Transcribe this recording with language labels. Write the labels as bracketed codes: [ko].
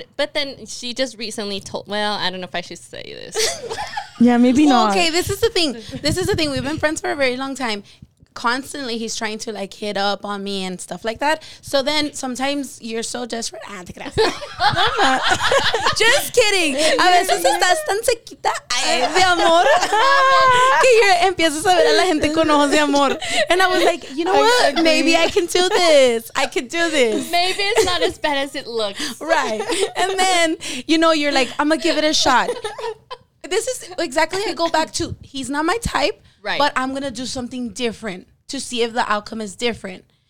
[en] But then she just recently told, well, I don't know if I should say this. Yeah, maybe not. Okay, this is the thing. We've been friends for a very long time. Constantly he's trying to like hit up on me and stuff like that. So then sometimes you're so desperate. [es] Ah, te creas. [en] Just kidding. [es] A veces estás tan sequita de amor que you empiezas a ver a la gente con ojos de amor. [en] And I was like, you know what? Maybe I can do this. Maybe it's not as bad as it looks. Right. And then, you know, you're like, I'm going to give it a shot. This is exactly, I go back to, he's not my type, right? But I'm going to do something different to see if the outcome is different.